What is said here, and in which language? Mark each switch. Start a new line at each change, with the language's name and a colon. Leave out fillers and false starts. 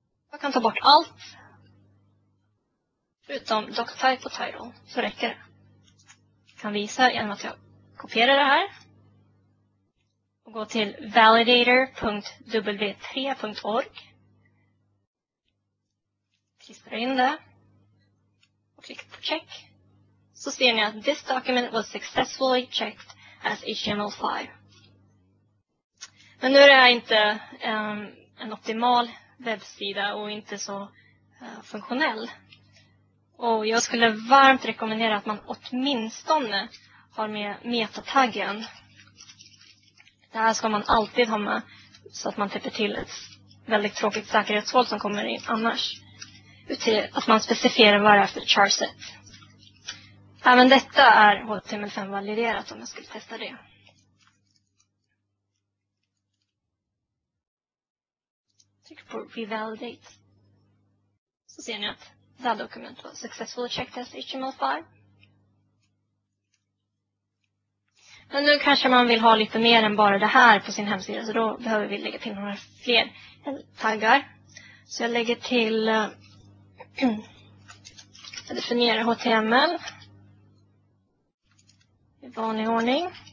Swedish: Jag kan ta bort allt utom doctype och title, så räcker det. Jag kan visa genom att jag kopierar det här och går till validator.w3.org. Klistrar in det och klickar på check. Så ser ni att
English: this document was successfully checked as HTML5.
Swedish: Men nu är det här inte en optimal webbsida och inte så funktionell. Och jag skulle varmt rekommendera att man åtminstone har med metataggen. Det här ska man alltid ha med så att man täpper till ett väldigt tråkigt säkerhetshål som kommer in annars. Att man specificerar vad det är för charset. Även detta är HTML5 validerat om jag skulle testa det. Tryck på revalidate. Så ser ni att
English: that document was successfully checked as HTML5.
Swedish: Men nu kanske man vill ha lite mer än bara det här på sin hemsida, så då behöver vi lägga till några fler taggar. Så jag lägger till jag definierar HTML i vanlig ordning.